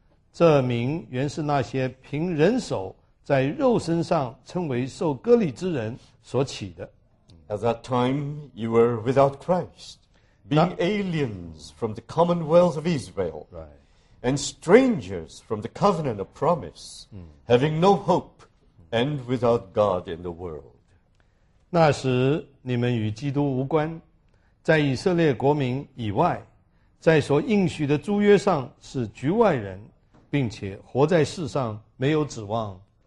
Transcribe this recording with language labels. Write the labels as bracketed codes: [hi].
[zh] 所以你们应当纪念，你们从前按肉体是外邦人，是称为没受割礼的，这名原是那些凭人手。在肉身上称为受割礼之人所起的。 [en] At that time, you were without Christ, being aliens from the commonwealth of Israel, and strangers from the covenant of promise, having no hope, and without God in the world. [zh] 那时你们与基督无关，在以色列国民以外，在所应许的诸约上是局外人，并且活在世上没有指望。